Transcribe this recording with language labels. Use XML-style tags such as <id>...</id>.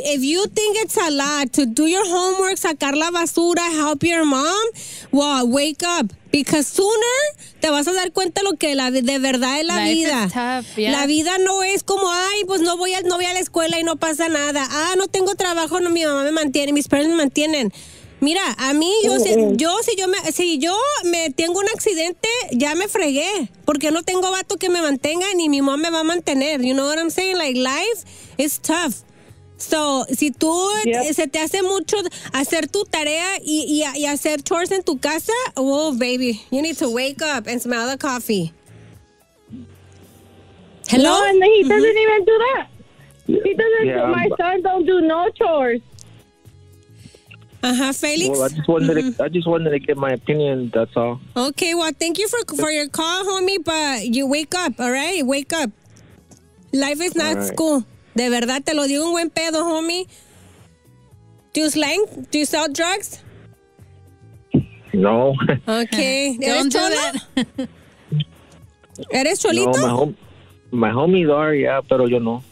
<en>If you think it's a lot to do your homework,</en> <es>sacar la basura,</es> <en>help your mom, well, wake up. Because sooner,</en> <es>te vas a dar cuenta lo que la, de verdad es la</es> <en>life</en> <es>vida.</es> <en>Is tough, yeah.</en> <es>La vida no es como, ay, pues no voy a la escuela y no pasa nada. Ah, no tengo trabajo, no, mi mamá me mantiene, mis padres me mantienen. Mira, a mí, si yo me tengo un accidente, ya me fregué. Porque no tengo vato que me mantenga ni mi mamá me va a mantener.</es> <en>You know what I'm saying? Like, life is tough. So,</en> <es>si tú, yep, se te hace mucho hacer tu tarea y hacer chores en tu casa,</es> <en>oh, baby, you need to wake up and smell the coffee. Hello? No, and he doesn't even do that. He doesn't, my son don't do no chores. Uh-huh, Felix? Well, I just wanted to get my opinion, that's all. Okay, well, thank you for your call, homie, but you wake up, all right? Wake up. Life is not school.</en> <es>De verdad, te lo digo un buen pedo, homie.</es> <en>Do you slang? Do you sell drugs? No.</en> <es>Okay. ¿Eres chola? ¿Eres cholito?</es> <en>No, my homies are, yeah,</en> <es>pero yo no.</es>